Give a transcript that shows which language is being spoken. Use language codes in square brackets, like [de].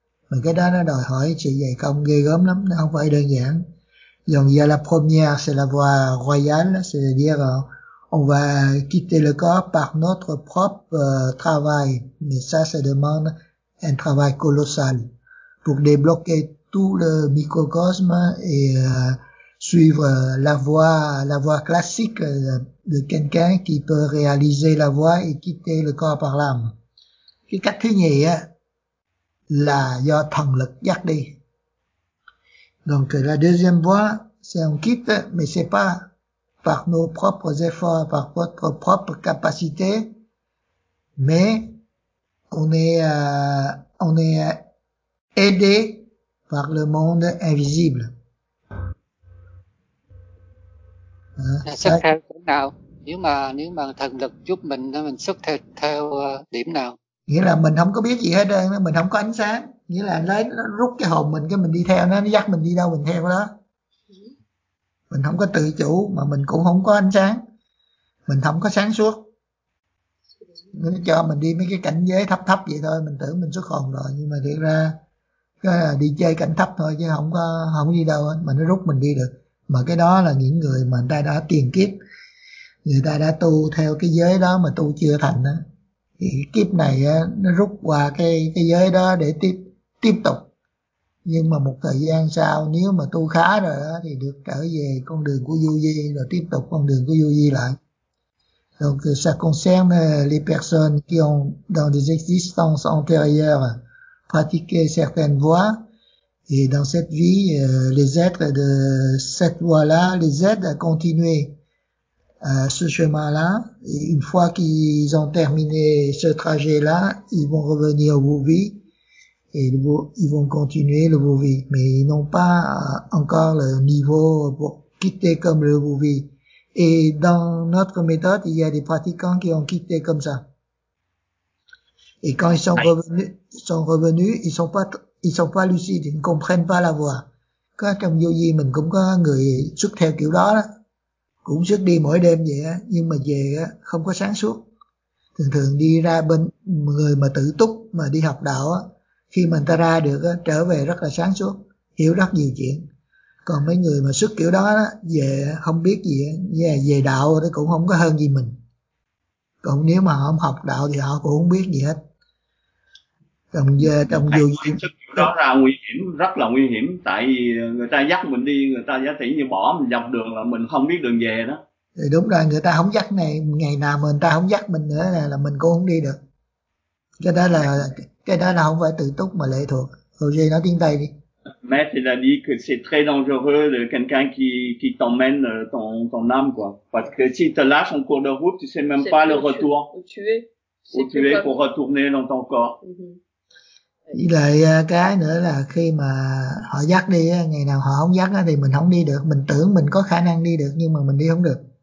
[vi] Mà cái đó nó đòi hỏi sự dày công ghê gớm lắm, nó không phải đơn giản. [fr] Donc il y a la première, c'est la voie royale, c'est-à-dire on va quitter le corps par notre propre travail. Mais ça, ça demande un travail colossal pour débloquer tout le microcosme et suivre la voie classique de quelqu'un qui peut réaliser la voie et quitter le corps par l'âme. [vi] Cái cách thứ nhì á là do thần lực dắt đi. [fr] Donc la deuxième voie c'est on quitte mais c'est pas par nos propres efforts, par notre propre capacité, mais on est aidé par le monde invisible. [vi] Xuất theo cái nào? Nếu mà thần lực giúp mình xuất theo điểm nào? Nghĩa là mình không có biết gì hết trơn, mình không có ánh sáng. Nghĩa là lấy nó rút cái hồn mình, cái mình đi theo nó dắt mình đi đâu mình theo đó. Mình không có tự chủ mà mình cũng không có ánh sáng. Mình không có sáng suốt. Nó cho mình đi mấy cái cảnh giới thấp thấp vậy thôi, mình tưởng mình xuất hồn rồi nhưng mà thiệt ra đi chơi cảnh thấp thôi chứ không có đi đâu hết, mà nó rút mình đi được. Mà cái đó là những người mà người ta đã tiền kiếp, người ta đã tu theo cái giới đó mà tu chưa thành á, thì kiếp này nó rút qua cái giới đó để tiếp tục. Nhưng mà một thời gian sau nếu mà tu khá rồi đó, thì được trở về con đường của Du Di rồi tiếp tục con đường của Du Di lại. [fr] Donc ça concerne les personnes qui ont dans des existences antérieures pratiqué certaines voies. Et dans cette vie, les êtres de cette voie-là les aident à continuer ce chemin-là. Et une fois qu'ils ont terminé ce trajet-là, ils vont revenir au Vouvi et ils vont continuer le Vouvi. Mais ils n'ont pas encore le niveau pour quitter comme le Vouvi. Et dans notre méthode, il y a des pratiquants qui ont quitté comme ça. Et quand ils sont revenus, ils sont pas lucides, ils ne comprennent pas la voie. [vi] Có trong vô vi mình cũng có người xuất theo kiểu đó đó, cũng xuất đi mỗi đêm vậy á, nhưng mà về á không có sáng suốt. Thường thường đi ra bên người mà tự túc mà đi học đạo á, khi mà người ta ra được á, trở về rất là sáng suốt, hiểu rất nhiều chuyện. Còn mấy người mà xuất kiểu đó á, về không biết gì á, về đạo thì cũng không có hơn gì mình. Còn nếu mà không học đạo thì họ cũng không biết gì hết. Trong dù đó là nguy hiểm, rất là nguy hiểm, tại vì người ta dắt mình đi, người ta giả sử như bỏ mình dọc đường là mình không biết đường về đó. Thì đúng rồi, người ta không dắt này, ngày nào mà người ta không dắt mình nữa là mình cũng không đi được. Cái đó là không phải tự túc mà lệ thuộc. Roger nói tiếng Tây đi. [fr] Maître il a dit que c'est très dangereux de quelqu'un qui t'emmène ton âme quoi. Parce que si tu lâches en cours de route, tu sais même pas le retour. Tu es pour retourner dans ton corps. [vi] Với lại cái nữa là khi mà họ dắt đi, ngày nào họ không dắt thì mình không đi được. Mình tưởng mình có khả năng đi được nhưng mà mình đi không được.